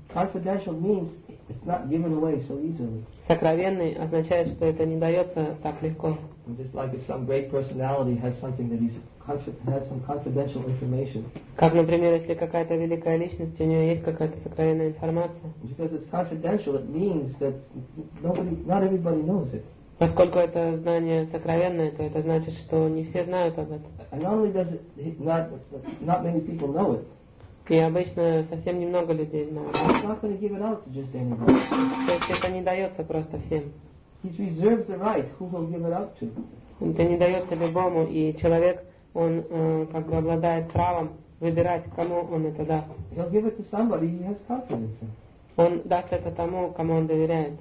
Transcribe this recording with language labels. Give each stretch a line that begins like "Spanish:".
English: Confidential means it's not given away so easily.
Russian: Сокровенный означает, что это не дается так легко.
English: Just like if some great personality has something that has some confidential information.
Russian: Как, например, если какая-то великая личность, у нее есть какая-то сокровенная информация.
English: Because it's confidential, it means that not everybody knows it.
Russian: Поскольку это знание сокровенное, то это значит, что не все знают об этом.
English: And not only does it not many people know it.
Russian: И обычно совсем немного людей знают.
English: It's not going to give it out to just anybody.
Russian: То есть это не дается просто всем.
English: He reserves the right who will give it out to.
Russian: Это не дается любому, и человек, он как бы обладает правом выбирать, кому он это даст.
English: He'll give it to somebody he has confidence in.
Russian: Он даст это тому, кому он доверяет.